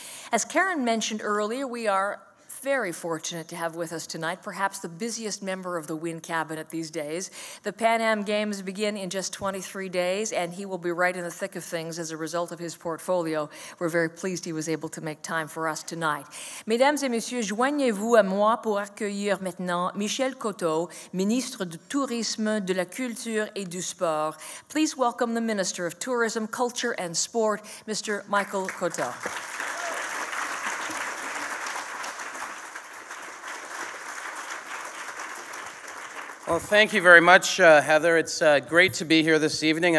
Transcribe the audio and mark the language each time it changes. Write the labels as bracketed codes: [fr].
[en] As Karen mentioned earlier, we are very fortunate to have with us tonight perhaps the busiest member of the Wynn cabinet these days. The Pan Am Games begin in just 23 days, and he will be right in the thick of things as a result of his portfolio. We're very pleased he was able to make time for us tonight. [fr] Mesdames et messieurs, joignez-vous à moi pour accueillir maintenant Michel Coteau, ministre du Tourisme, de la Culture et du Sport. [en] Please welcome the Minister of Tourism, Culture and Sport, Mr. Michel Coteau. Well, thank you very much, Heather. It's great to be here this evening.